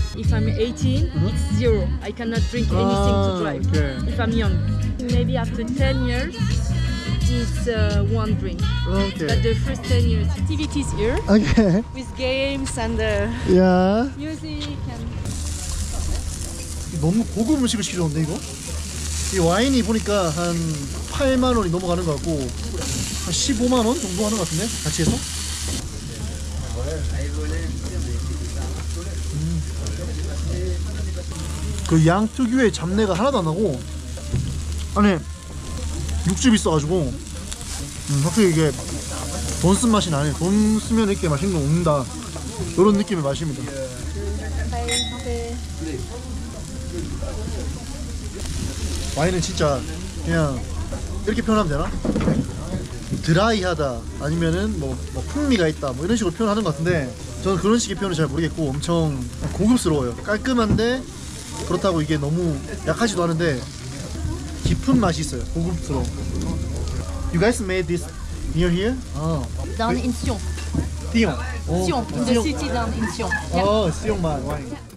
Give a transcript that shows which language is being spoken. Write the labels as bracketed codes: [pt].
[en] If I'm 18, it's zero. I cannot drink anything to drive. Okay. If I'm young. Maybe after 10 years, it's one drink. Okay. But the first 10 years, activities here. Okay. With games and music and... [ko] 너무 고급 음식을 시켜줬네, 이거? 이 와인이 보니까 한 8만 원이 넘어가는 것 같고 한 15만 원 정도 하는 것 같은데? 같이 해서? 그 양 특유의 잡내가 하나도 안 나고 안에 육즙이 있어가지고 확실히 이게 돈 쓴 맛이 나네. 돈 쓰면 이렇게 맛있는 거 먹는다 이런 느낌의 맛입니다. 와인은 진짜 그냥 이렇게 표현하면 되나? 드라이하다 아니면은 뭐 풍미가 있다 뭐 이런 식으로 표현하는 것 같은데 저는 그런 식의 표현을 잘 모르겠고 엄청 고급스러워요. 깔끔한데 그렇다고 이게 너무 약하지도 않은데 깊은 맛이 있어요. 고급스러워. [en] You guys made this near here? [ko] 난 인시옹. 띠용. 띠용. 인시옹. 시옹 맛. 와인.